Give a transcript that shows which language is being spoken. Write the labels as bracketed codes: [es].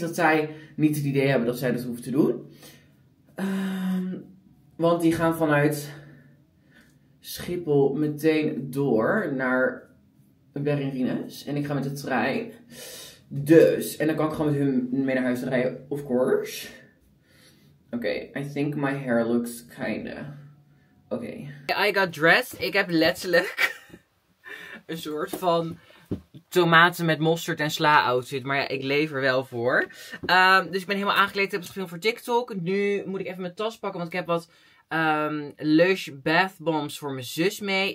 [nl] Dat zij niet het idee hebben dat zij dat hoeven te doen. Want die gaan vanuit Schiphol meteen door naar Berrinus. En ik ga met de trein. Dus. En dan kan ik gewoon met hun mee naar huis rijden. [en] Of course. Oké. Okay, I think my hair looks kinda. [nl] Oké. [en] Okay. I got dressed. [nl] Ik heb letterlijk een soort van tomaten met mosterd en sla outfit. Maar ja, ik leef er wel voor. Dus ik ben helemaal aangekleed. Ik heb gefilmd voor TikTok. Nu moet ik even mijn tas pakken. Want ik heb wat Lush bath bombs voor mijn zus mee.